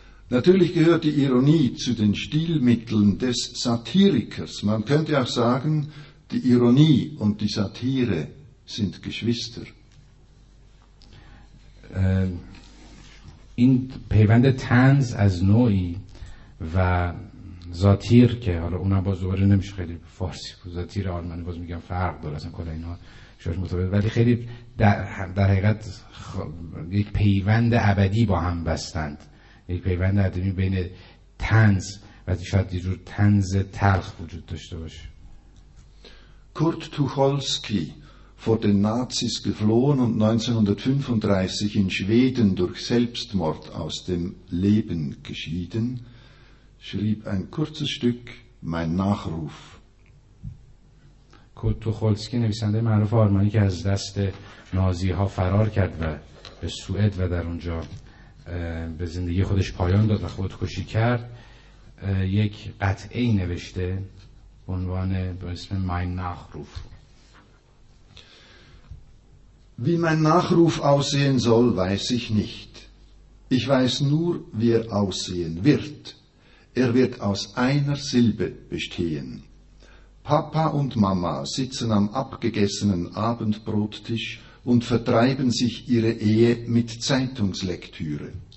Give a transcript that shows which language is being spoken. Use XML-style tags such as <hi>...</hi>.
<de>Natürlich gehört die Ironie zu den Stilmitteln des Satirikers. Man könnte auch sagen, die Ironie und die Satire sind Geschwister.</de> <fa>این پیوند طنز از نوعی و زاتیر که حالا اونها باز دوباره نمیشه خیلی فارسی بود، زاتیر آلمانی باز میگم فرق داره اصلا کلا اینها شاش متفاوت، ولی خیلی در حقیقت یک پیوند ابدی با هم بستند، یک پیوند ابدی بین طنز و شاید یه جور طنز تلخ وجود داشته باشه. کورت توخولسکی</fa> <de>vor den Nazis geflohen und 1935 in Schweden durch Selbstmord aus dem Leben geschieden, schrieb ein kurzes Stück Mein Nachruf.</de> <fa>Kurt Tucholsky, نویسنده معروف آلمانی که از دست نازی‌ها فرار کرد و به سوئد و در اونجا به زندگی خودش پایان داد و خودکشی کرد، یک قطعه نوشته به عنوان به اسم Mein Nachruf.</fa> <de>Wie mein Nachruf aussehen soll, weiß ich nicht. Ich weiß nur, wie er aussehen wird. Er wird aus einer Silbe bestehen. Papa und Mama sitzen am abgegessenen Abendbrottisch und vertreiben sich ihre Ehe mit Zeitungslektüre.</de>